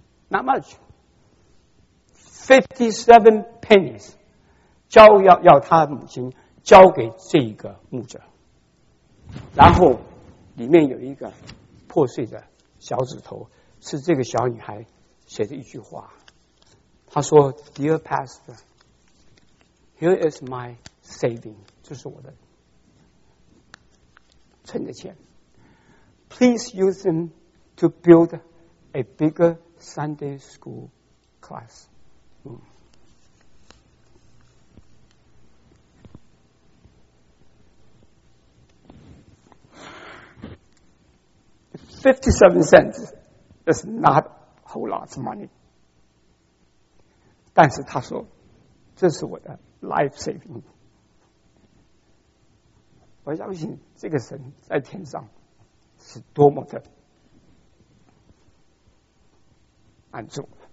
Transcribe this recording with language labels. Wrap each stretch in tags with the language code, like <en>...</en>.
<en>Not much. 57 pennies.</en> <zh>要他母亲交给这一个牧者。然后里面有一个破碎的小指头，是这个小女孩写的一句话。她说</zh> <en>Dear Pastor, here is my saving.</en> <zh>这是我的存的钱。</zh> <en>Please use them to build a bigger Sunday school class. 57 cents is not a whole lot of money.</en> <zh>但是他说，这是我的</zh> <en>life saving.</en> <zh>我相信这个神在天上是多么的满足。</zh>